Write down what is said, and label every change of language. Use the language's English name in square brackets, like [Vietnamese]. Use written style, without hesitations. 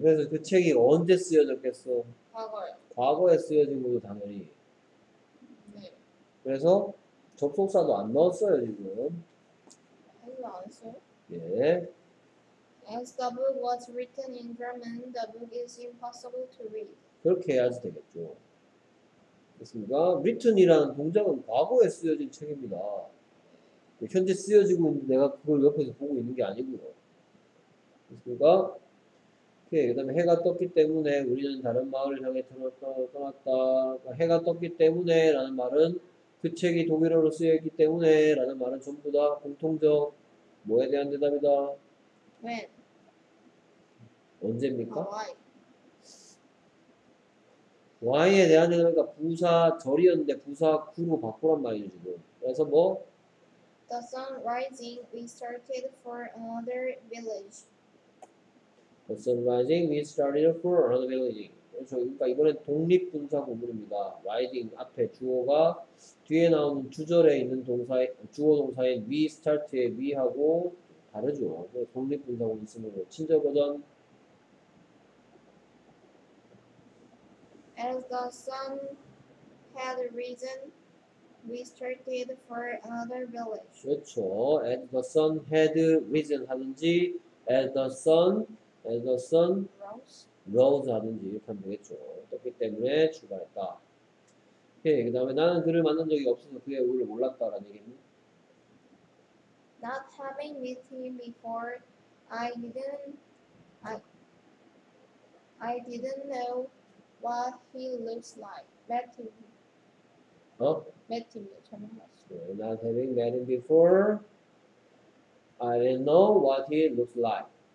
[Korean] 그래서 그 책이 언제 쓰여졌겠어? 과거요. 과거에 쓰여진 거죠, 당연히. 네. 그래서 접속사도 안 넣었어요, 지금. 이거 안 써요? 예. [English] As the book was written in German, the book is impossible to read. [Korean] 그렇게 해야지 되겠죠. 그렇습니까? written이라는 동작은 과거에 쓰여진 책입니다. 현재 쓰여지고 있는데 내가 그걸 옆에서 보고 있는 게 아니고요. 그렇습니까? 오케이. 그 다음에 해가 떴기 때문에 우리는 다른 마을을 향해 떠났다. 해가 떴기 때문에 라는 말은 그 책이 독일어로 쓰여있기 때문에 라는 말은 전부 다 공통적 뭐에 대한 대답이다. [English] When? [Korean] 언제입니까? [English] Why? [Korean] Why에 대한 대답이니까 부사 절이었는데 부사 구로 바꾸란 말이죠, 지금. 그래서 뭐? [English] The sun rising, we started for another village. The sun rising, we started for another village. [Korean] 그렇죠. 그러니까 이번엔 독립분사 구문입니다. Rising 앞에 주어가 뒤에 나오는 주절에 있는 동사의 주어 동사인 we start의 we하고 다르죠. 독립분사 구문 쓰므로 친절버전. [English] As the sun had risen, we started for another village. [Korean] 그렇죠. [English] As the sun had risen 하든지, as the sun rose [Korean] 하든지 이렇게 하면 되겠죠. 떴기 때문에 출발했다. 오케이. 그 다음에 나는 그를 만난 적이 없어서 그의 우를 몰랐다라는 얘기는? [English] Not having met him before, I didn't know what he looks like. Met him. [Korean] 어? [English] Met him. 잘못 [Korean] 봤어. [English] Not having met him before, I didn't know what he looks like.